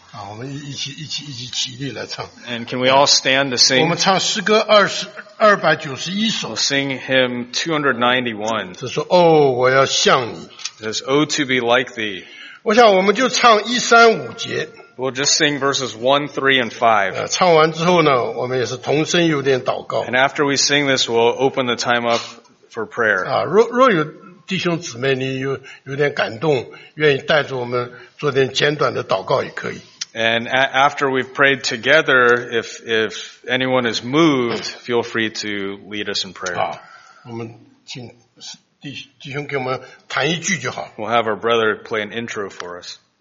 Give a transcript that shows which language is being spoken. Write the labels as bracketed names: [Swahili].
[Chinese] 我们一起起立来唱。 [English] And can we all stand to sing? [Chinese] 我们唱诗歌291首。 [English] We'll sing hymn 291. [Chinese] 他说哦我要像你。 [English] It says, oh to be like thee. [Chinese] 我想我们就唱135节。 [English] We'll just sing verses 1, 3, and 5. [Chinese] 唱完之后呢我们也是同声有点祷告。 [English] And after we sing this, we'll open the time up for prayer. [Chinese] 若有弟兄姊妹你有点感动愿意带着我们做点简短的祷告也可以。 [English] And after we've prayed together, if anyone is moved, feel free to lead us in prayer. [Chinese] 好我们请弟兄给我们弹一句就好。 [English] We'll have our brother play an intro for us.